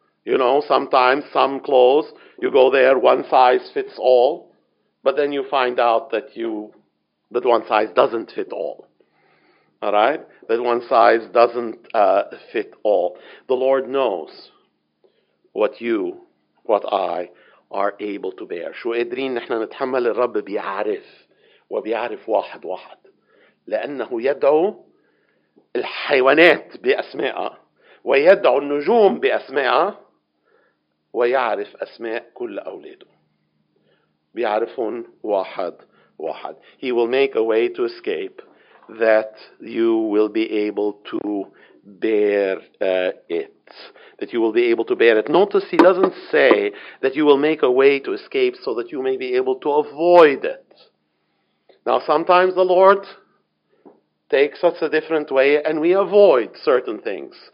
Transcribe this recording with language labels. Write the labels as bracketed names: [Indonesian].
[English] You know, sometimes some clothes, you go there, one-size-fits-all, but then you find out that one-size doesn't fit all. All right, that one-size doesn't fit all. The Lord knows what you, what I, are able to bear. [Arabic] شو قادرين نحن نتحمل الرب بيعرف وبيعرف واحد واحد لأنه يدعو الحيوانات بأسمائها ويدعو النجوم بأسمائها ويعرف أسماء كل أولاده بيعرفهم واحد واحد. [English] He will make a way to escape that you will be able to bear it. That you will be able to bear it. Notice he doesn't say that you will make a way to escape so that you may be able to avoid it. Now sometimes the Lord takes us a different way and we avoid certain things.